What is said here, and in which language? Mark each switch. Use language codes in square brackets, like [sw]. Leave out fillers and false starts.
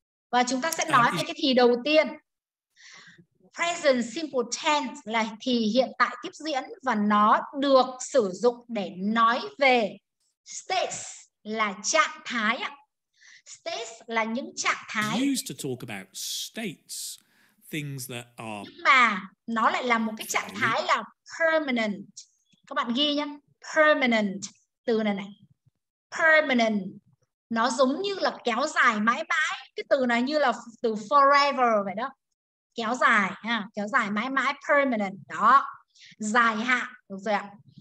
[vi] Và chúng ta sẽ nói về cái thì đầu tiên. Present simple tense là thì hiện tại tiếp diễn, và nó được sử dụng để nói về states, là trạng thái. States là những trạng thái. [en] Used to talk about states, things that are. [vi] Nhưng mà nó lại là một cái trạng thái là permanent. Các bạn ghi nhé, permanent, từ này này. Permanent, nó giống như là kéo dài mãi mãi. Cái từ này như là từ forever vậy đó. Kéo dài ha, kéo dài mãi mãi, permanent đó, dài hạn, được rồi ạ.